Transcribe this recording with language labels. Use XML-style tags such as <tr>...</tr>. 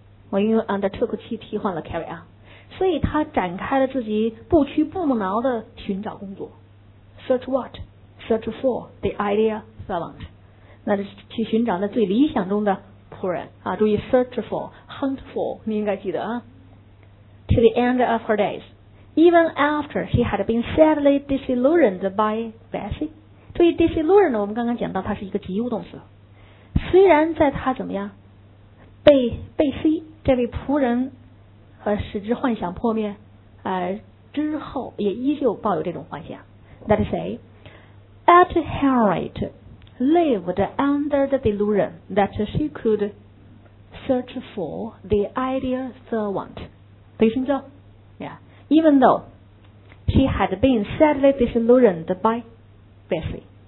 <zh>我因为 undertook 去替换了 carry on， 所以她展开了自己不屈不挠的寻找工作。</zh> <en>Search what? Search for the ideal servant.</en> <zh>那就是去寻找那最理想中的仆人啊。注意 search for, hunt for， 你应该记得啊。</zh> <en>To the end of her days, even after she had been sadly disillusioned by Bessie.</en> <zh>注意 disillusioned 我们刚刚讲到它是一个及物动词。虽然在她怎么样被贝西这位仆人和使之幻想破灭之后也依旧抱有这种幻想。</zh> <en>That is say, at Harriet lived under the delusion that she could search for the ideal servant.</en> <zh>对于什么叫</zh> <en>Yeah. Even though she had been sadly disillusioned by Bessie.</en>